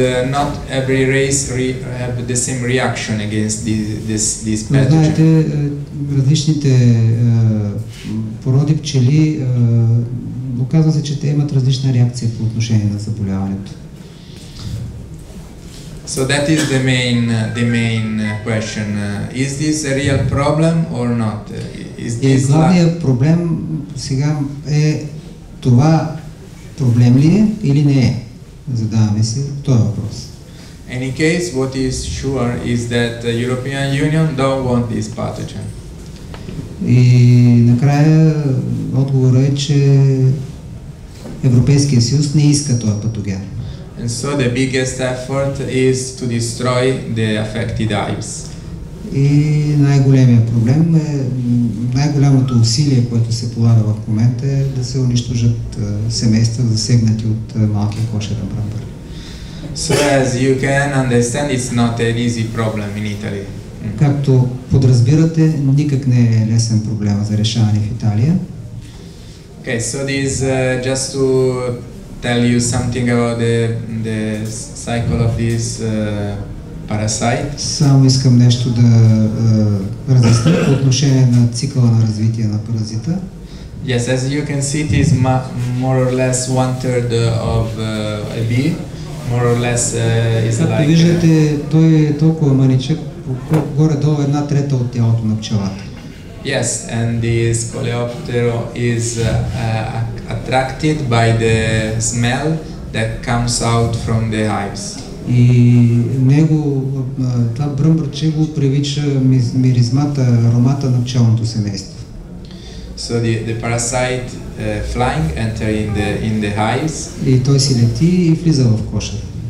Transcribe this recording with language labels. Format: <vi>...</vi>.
<en>Not every race have the same reaction against this pathogen.</en> <bg>Знаете, различните породи пчели, оказва се, че те имат различна реакция по отношение на заболяването.</bg> <en>So that is the main question. Is this a real problem or not? Is this</en> <bg>главният проблем сега е това проблем ли е или не е? Задаваме се този въпрос.</bg> <en>Any case, what is sure is that the European Union don't want this pathogen.</en> <bg>И накрая отговорът е, че Европейския съюз не иска този патоген.</bg> <en>And so the biggest effort is to destroy the affected hives.</en> <bg>И най-големият проблем е, най-голямото усилие, което се полага в момента е да се унищожат семейства, засегнати от малкия кошерен бръмбър.</bg> <en>So as you can understand, it's not an easy problem in Italy.</en> <bg>Както подразбирате, никак не е лесен проблем за решаване в Италия.</bg> <en>Okay, so this just to tell you something about the cycle of this parasite.</en> <bg>Само искам нещо да разясня по отношение на цикъла на развитие на паразита.</bg> <en>Yes, as you can see, it is more or less one third of a bee. More or less is like.</en> <bg>Както виждате, той е толкова маничък, горе-долу една трета от тялото на пчелата.</bg> <en>Yes, and this coleoptero is attracted by the smell that comes out from the hives.</en> <bg>И него, това бръмбърче го привича миризмата, аромата на пчелното семейство.</bg> <en>So the parasite flying enter in the hives.</en> <bg>И той си лети и влиза в кошер.</bg>